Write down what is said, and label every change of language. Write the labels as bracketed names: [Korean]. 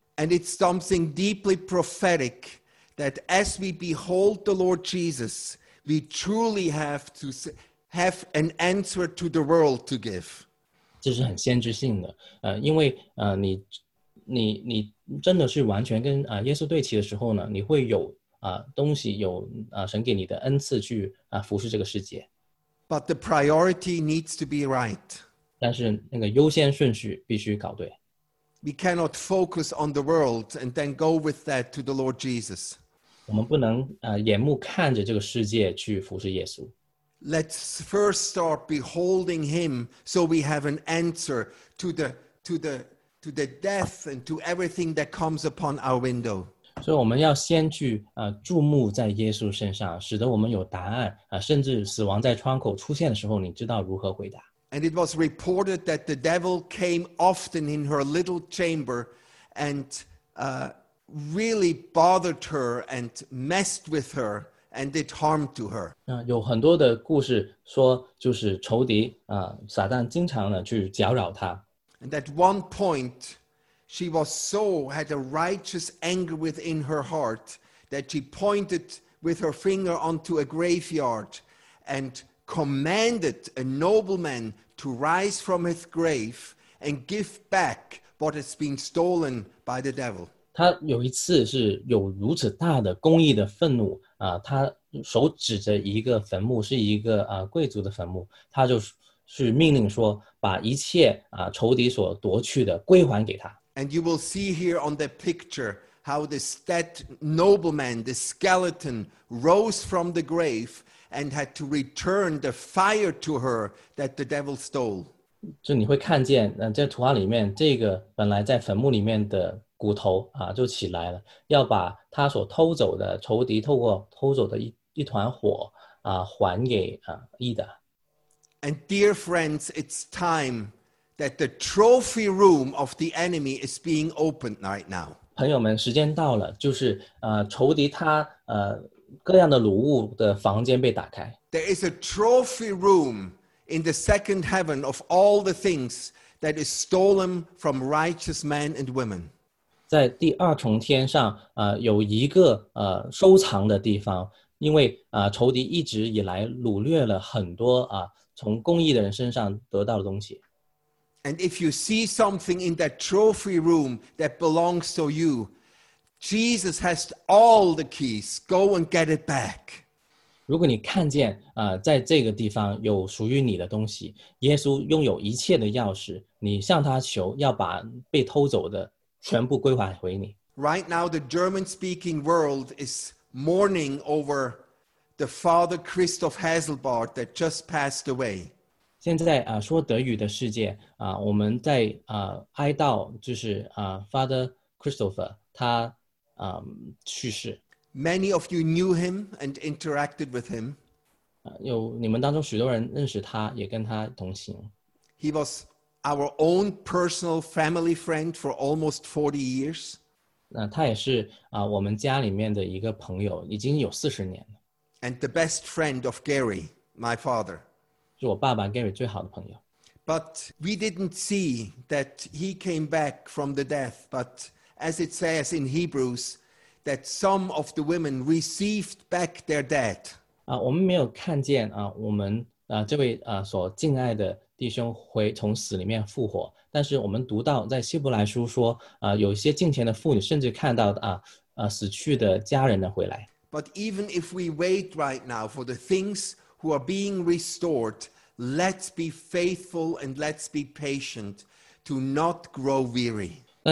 [English] And it's something deeply prophetic that as we behold the Lord Jesus, we truly have to have an answer to the world to give. [Chinese] 这是很先知性的，因为你真的是完全跟耶稣对齐的时候呢，你会有东西有神给你的恩赐去服侍这个世界。 [English] But the priority needs to be right. [Chinese] 但是那个优先顺序必须搞对。 [English] We cannot focus on the world and then go with that to the Lord Jesus. [Chinese] 我们不能眼目看着这个世界去服侍耶稣。 [English] Let's first start beholding him so we have an answer to the death and to everything that comes upon our window. [Chinese] 所以我们要先去注目在耶稣身上，使得我们有答案甚至死亡在窗口出现的时候，你知道如何回答。 [English] And it was reported that the devil came often in her little chamber and really bothered her and messed with her and did harm to her. [Chinese] 有很多的故事说，就是仇敌撒旦经常呢去搅扰他。 [English] And at one point,She was so had a righteous anger within her heart that she pointed with her finger onto a graveyard and commanded a nobleman to rise from his grave and give back what has been stolen by the devil. [Chinese] 他有一次是有如此大的公义的愤怒他手指着一个坟墓，是一个贵族的坟墓，他就是命令说把一切仇敌所夺去的归还给他。 [English] And you will see here on the picture how that nobleman, the skeleton, rose from the grave and had to return the fire to her that the devil stole. [Chinese] 就你会看见，在图画里面，这个本来在坟墓里面的骨头就起来了，要把他所偷走的仇敌透过偷走的一团火还给伊达。 [English] And dear friends, it's time. That the trophy room of the enemy is being opened right now. [Chinese] 朋友们，时间到了，就是仇敌他各样的掳物的房间被打开。 [English] There is a trophy room in the second heaven of all the things that is stolen from righteous men and women. [Chinese] 在第二重天上有一个收藏的地方，因为仇敌一直以来掳掠了很多从公义的人身上得到的东西。 [English] And if you see something in that trophy room that belongs to you, Jesus has all the keys. Go and get it back. [Chinese] 如果你看见在这个地方有属于你的东西，耶稣拥有一切的钥匙，你向他求，要把被偷走的全部归还回你。 [English] Right now, the German-speaking world is mourning over the Father Christoph Hasselbart that just passed away. [Chinese] 现在说德语的世界我们在哀悼就是Father Christopher 他去世。 [English] Many of you knew him and interacted with him. [Chinese] 有你们当中许多人认识他，也跟他同行。 [English] He was our own personal family friend for almost 40 years. [Chinese] 他也是, 我们家里面的一个朋友, 已经有40年了。 [English] And the best friend of Gary, my father. [Chinese] 是我爸爸Gary最好的朋友。 [English] But we didn't see that he came back from the death, but as it says in Hebrews, that some of the women received back their dead. [Chinese] 我们没有看见, 我们, 这位, 所敬爱的, 弟兄回从死里面复活，但是我们读到在希伯来书说， 有一些敬虔的妇女甚至看到， 死去的家人呢回来。 [English] But even if we wait right now for the things who are being restored, let's be faithful and let's be patient to not grow weary.